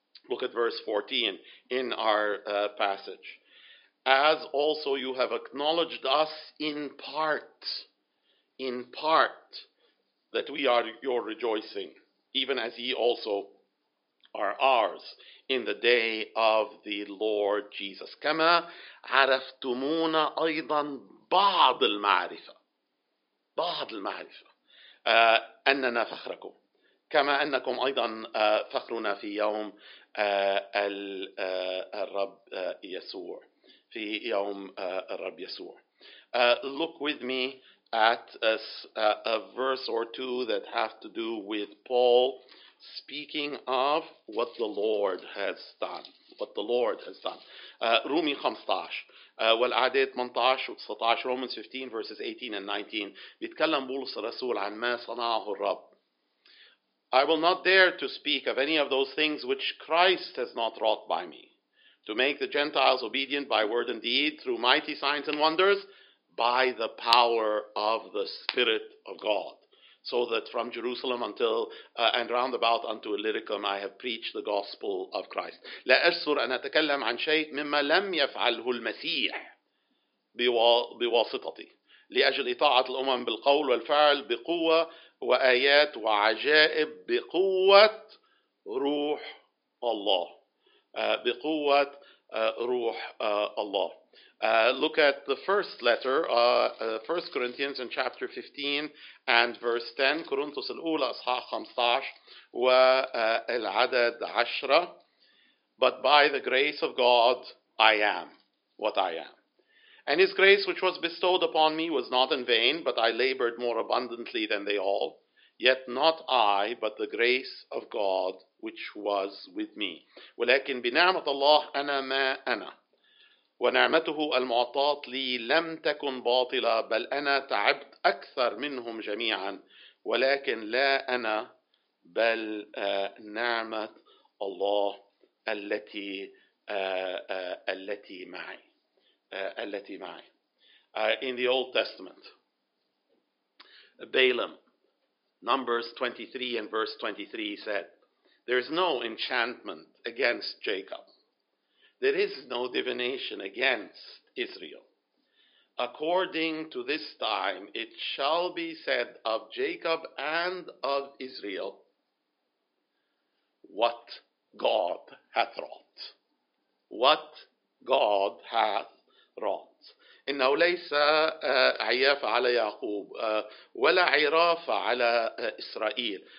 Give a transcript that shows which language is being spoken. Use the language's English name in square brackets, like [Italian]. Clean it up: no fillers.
[English] Look at verse 14 in our passage. As also you have acknowledged us in part, that we are your rejoicing, even as ye also are ours in the day of the Lord Jesus. [Arabic] كما عرفتمونا أيضا بعض المعرفة. بعض المعرفة. أننا فخركم. كما أنكم أيضا فخرنا في يوم الرب يسوع. في يوم الرب يسوع. [English] Look with me at a verse or two that have to do with Paul speaking of what the Lord has done. What the Lord has done. [Arabic] رومي 15 والأعداد 18 و 19 [English] Romans 15 verses 18 and 19 [Arabic] بيتكلم بولس الرسول عن ما صنعه الرب. [English] I will not dare to speak of any of those things which Christ has not wrought by me, to make the Gentiles obedient by word and deed through mighty signs and wonders by the power of the Spirit of God, so that from Jerusalem until and round about unto Illyricum I have preached the gospel of Christ. [Arabic] لا أجسر أن أتكلم عن شيء مما لم يفعله المسيح بواسطتي لأجل إطاعة الأمم بالقول والفعل بقوة وآيات وعجائب بقوة روح الله. بقوة روح الله. [English] Look at the first letter, 1 Corinthians in chapter 15 and verse 10. [Arabic] كورنثوس الأولى أصحاح 15 والعدد 10. [English] But by the grace of God I am what I am. And his grace which was bestowed upon me was not in vain, but I labored more abundantly than they all. Yet not I, but the grace of God which was with me. [Arabic] ولكن بنعمة الله أنا ما أنا. ونعمته المعطاة لي لم تكن باطلة بل أنا تعبت أكثر منهم جميعا ولكن لا أنا بل نعمة الله التي التي معي التي معي. [English] In the Old Testament, Balaam, Numbers 23 and verse 23 said, there is no enchantment against Jacob. There is no divination against Israel. According to this time, it shall be said of Jacob and of Israel, what God hath wrought. What God hath wrought. [Arabic] إنه ليس عيافة على يعقوب ولا عرافة على إسرائيل.